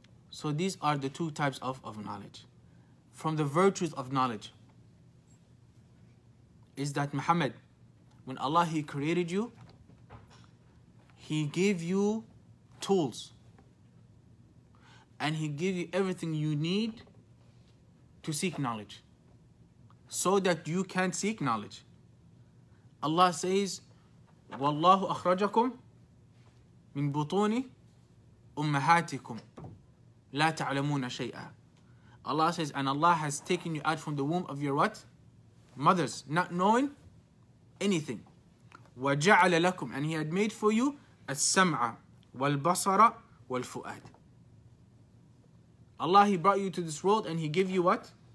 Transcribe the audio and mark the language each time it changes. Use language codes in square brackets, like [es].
[en] So these are the two types of knowledge. From the virtues of knowledge is that Muhammad, when Allah He created you, He gave you tools. And He gave you everything you need to seek knowledge, so that you can seek knowledge. Allah says, [ar] وَاللَّهُ أَخْرَجَكُمْ مِنْ بُطُونِ أُمَّهَاتِكُمْ لَا تَعْلَمُونَ شَيْئًا. [en] Allah says, and Allah has taken you out from the womb of your what? Mothers, not knowing anything. [ar] وَجَعَلَ لَكُمْ, [en] and He had made for you [ar] السَّمْعَ وَالْبَصَرَ وَالْفُؤَادِ. [en] Allah, He brought you to this world and He gave you what?